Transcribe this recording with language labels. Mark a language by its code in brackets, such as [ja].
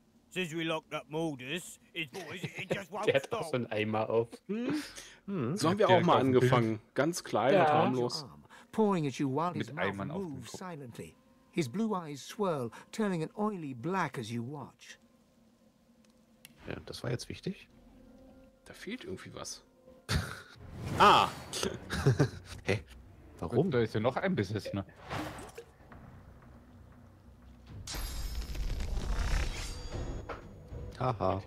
[en] Since we locked up Mulders, it just won't [de] der hat auch so einen Eimer auf. So haben wir auch mal angefangen. Bild. Ganz klein und harmlos. Mit Eimern auf den Kopf. [en] His blue eyes swirl, turning an oily black as you watch. [de] Ja, das war jetzt wichtig. Da fehlt irgendwie was. Ah! Hä? Hey, warum? Da ist ja noch ein bisschen, ne? Haha.